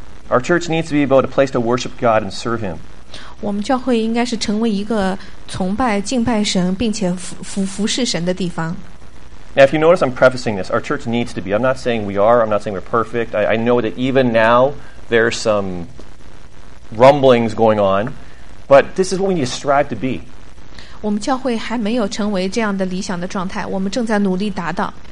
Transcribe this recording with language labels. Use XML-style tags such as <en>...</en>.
<en>Our church needs to be about a place to worship God and serve Him.</en> <zh>我们教会应该是成为一个崇拜敬拜神并且服侍神的地方。</zh> <en>Now, if you notice, I'm prefacing this. Our church needs to be. I'm not saying we are. I'm not saying we're perfect. I know that even now there are some rumblings going on, but this is what we need to strive to be.</en> <zh>我们教会还没有成为这样的理想的状态，我们正在努力达到。</zh>